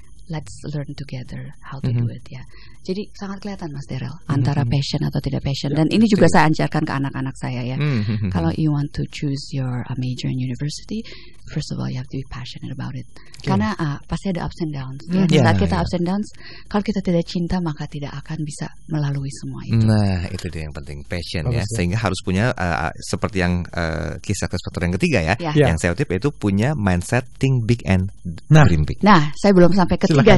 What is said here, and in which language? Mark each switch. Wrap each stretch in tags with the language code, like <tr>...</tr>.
<en>Let's learn together how to do it ya.</en> <id>Jadi sangat kelihatan Mas Daryl antara passion atau tidak passion. Dan ini juga saya ajarkan ke anak-anak saya ya.</id> <en>Kalau you want to choose your major in university, first of all you have to be passionate about it.</en> <id>Karena pasti ada ups and downs. Ups and downs, kalau kita tidak cinta maka tidak akan bisa melalui semua itu. Nah itu dia yang penting, passion. Bagus ya. Sehingga harus punya seperti yang kisah kesempatan yang ketiga ya. Yang saya utip itu punya mindset think big and dream big. Nah saya belum sampai ketiga.</id>